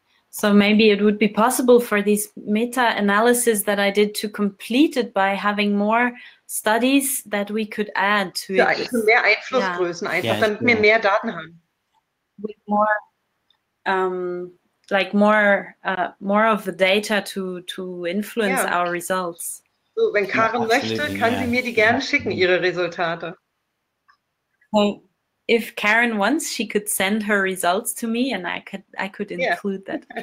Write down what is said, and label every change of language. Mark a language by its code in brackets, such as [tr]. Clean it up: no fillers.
[en] So maybe it would be possible for these meta-analyses that I did to complete it by having more studies that we could add to it. [de] Ja, mehr Einflussgrößen einfach, damit wir mehr Daten haben. [en] With more, more of the data to influence our results. [de] So, wenn Karen möchte, kann sie mir die gerne schicken, ihre Resultate. [en] Well, if Karen wants, she could send her results to me and I could include that.